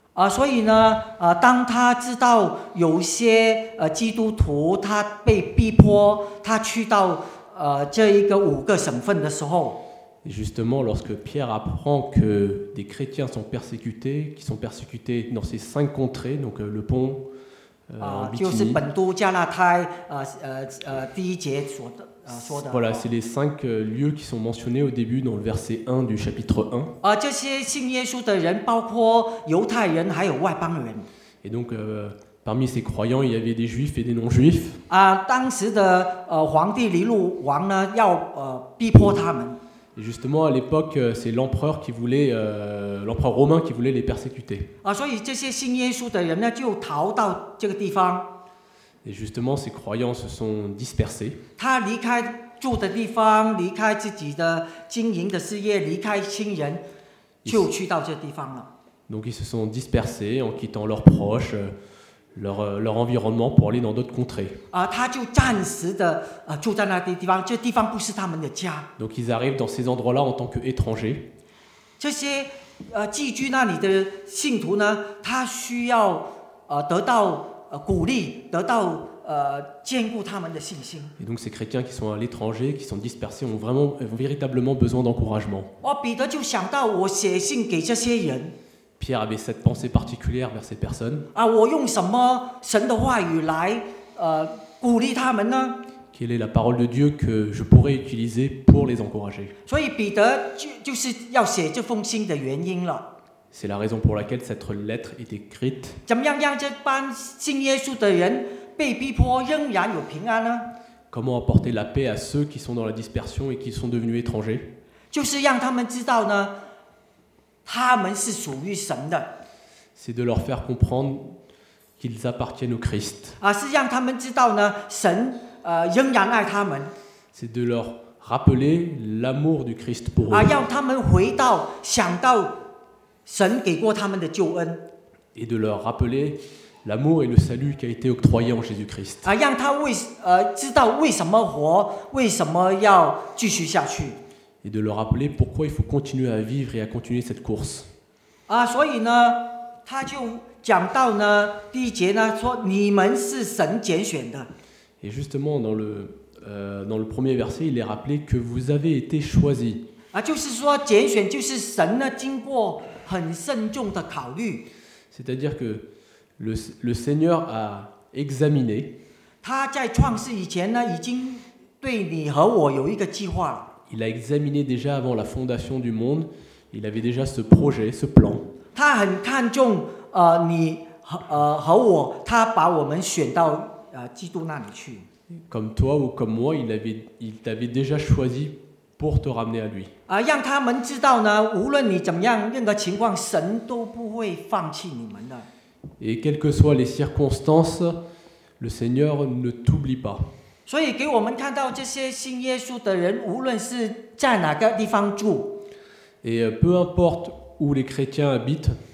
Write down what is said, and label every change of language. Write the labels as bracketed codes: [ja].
[zh] 所以呢，当他知道有些基督徒他被逼迫，他去到这一个五个省份的时候 [fr] ，justement lorsque Pierre apprend que des chrétiens sont persécutés, qui sont persécutés dans ces cinq contrées, donc le Pont, Bithynie, [zh] 就是本都加拉太第一节所的。 [fr] Voilà, c'est les cinq lieux qui sont mentionnés au début dans le verset 1 du chapitre 1. [zh] 这些信耶稣的人包括犹太人还有外邦人。 [fr] Et donc, parmi ces croyants, il y avait des juifs et des non-juifs. [zh] 当时的皇帝尼禄王呢要逼迫他们。 [fr] Et justement, à l'époque, c'est l'empereur qui voulait, l'empereur romain qui voulait les persécuter. [zh] 所以这些信耶稣的人呢就逃到这个地方。 [fr] Et justement, ces croyants se sont dispersés. [zh] 他离开住的地方，离开自己的经营的事业，离开亲人，就去到这地方了。 [fr] Donc ils se sont dispersés en quittant leurs proches, leur environnement pour aller dans d'autres contrées. [zh] 他就暂时的住在那地方，这地方不是他们的家。 [fr] Donc ils arrivent dans ces endroits-là en tant qu'étrangers. [zh] 这些寄居那里的信徒呢，他需要得到鼓励，得到坚固他们的信心。 [fr] Et donc ces chrétiens qui sont à l'étranger, qui sont dispersés, ont véritablement besoin d'encouragement. [zh] 彼得就想到我写信给这些人。 [fr] Pierre avait cette pensée particulière vers ces personnes. [zh] 我用什么神的话语来鼓励他们呢？ [fr] Quelle est la parole de Dieu que je pourrais utiliser pour les encourager? [zh] 所以彼得就是要写这封信的原因了。 [fr] C'est la raison pour laquelle cette lettre est écrite. [zh] 怎么样让这帮信耶稣的人被逼迫仍然有平安呢？ [fr] Comment apporter la paix à ceux qui sont dans la dispersion et qui sont devenus étrangers? [zh] 就是让他们知道呢，他们是属于神的。 [fr] C'est de leur faire comprendre qu'ils appartiennent au Christ. [zh] 啊，是让他们知道呢，神仍然爱他们。 [fr] C'est de leur rappeler l'amour du Christ pour eux. [zh] 啊，让他们回到想到神给过他们的救恩。 [fr] Et de leur rappeler l'amour et le salut qui a été octroyé en Jésus-Christ. [zh] 啊，让他为知道为什么活，为什么要继续下去。 [fr] Et de leur rappeler pourquoi il faut continuer à vivre et à continuer cette course. [zh] 啊，所以呢，他就讲到呢，第一节呢说你们是神拣选的。 [fr] Et justement dans le premier verset, il est rappelé que vous avez été choisis. [zh] 啊，就是说拣选就是神呢经过很慎重的考虑。 [fr] C'est-à-dire que le Seigneur a examiné. [zh] 他在创世以前呢，已经对你和我有一个计划了。 [fr] Il a examiné déjà avant la fondation du monde. Il avait déjà ce projet, ce plan. [zh] 他很看重你和我，他把我们选到基督那里去。 [fr] Comme toi ou comme moi, il t'avait déjà choisi pour te ramener à lui. [zh] 啊，让他们知道呢，无论你怎么样，任何情况，神都不会放弃你们的。 [fr] Et quelles que soient les circonstances, le Seigneur ne t'oublie pas. [zh] 所以给我们看到这些信耶稣的人，无论是在哪个地方住。 [fr] Et peu importe où les chrétiens habitent.